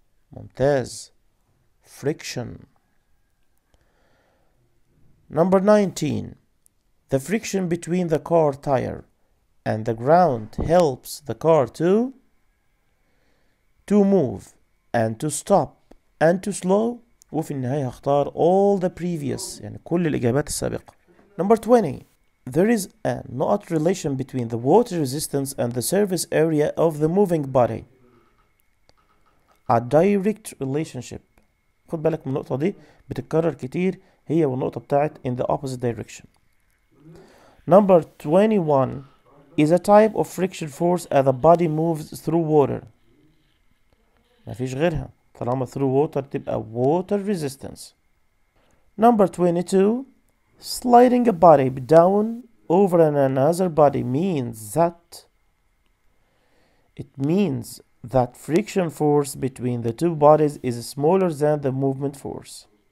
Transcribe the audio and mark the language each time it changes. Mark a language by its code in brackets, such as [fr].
[ar] ممتاز، friction. [en] number 19, the friction between the car tire and the ground helps the car to move and to stop and to slow. [ar] وفي النهاية اختار [en] all the previous، [ar] يعني كل الإجابات السابقة. [en] number 20, there is a not relation between the water resistance and the surface area of the moving body. a direct relationship. [ar] خد بالك من النقطة دي بتتكرر كتير، هي والنقطة بتاعت [en] in the opposite direction. Number 21 is a type of friction force as the body moves through water. [ar] ما فيش غيرها. طالما [en] through water تبقى water resistance. Number 22, sliding a body down over another body means that it means that friction force between the two bodies is smaller than the movement force.